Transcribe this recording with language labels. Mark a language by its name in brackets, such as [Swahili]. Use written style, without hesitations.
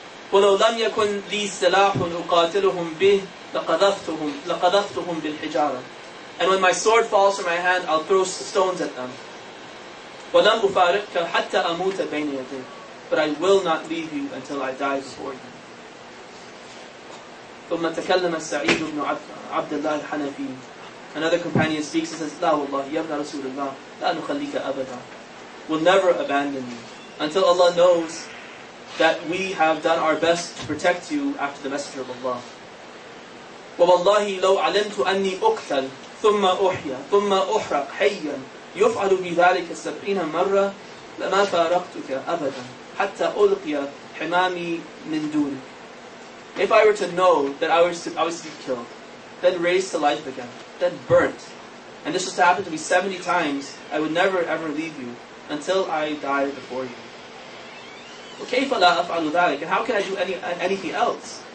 [Arabic] وَلَوْ لَمْ يَكُنْ لِي سِلَاحٌ أُقَاتِلُهُمْ بِهِ لَقَذَفْتُهُمْ بِالْحِجَارَةِ. [English] And when my sword falls from my hand, I'll throw stones at them. [Arabic] وَلَمْ أُفَارِقْكَ حَتَّى أَمُوتَ بَيْنِ يَدِي. [English] But I will not leave you until I die before you. [Arabic] ثم تكلم السعيد بن عبد الله الحنفي. [English] Another companion speaks and says, [Arabic] لا والله يا ابن رسول الله لا نخليك أبدا. [English] We'll never abandon you until Allah knows that we have done our best to protect you after the Messenger of Allah. [Arabic] ووالله لو علمت أني أقتل ثم أحيا ثم أحرق حيا يفعل بذلك 70 مرة لما فارقتك أبدا حتى ألقي حمامي من دونك. [English] If I were to know that I was to be killed, then raised to life again, then burnt, and this was to happen to me 70 times, I would never ever leave you until I die before you. [Arabic] وَكَيْفَ لَا أَفْعَلُ ذَلِكَ. [English] And how can I do anything else?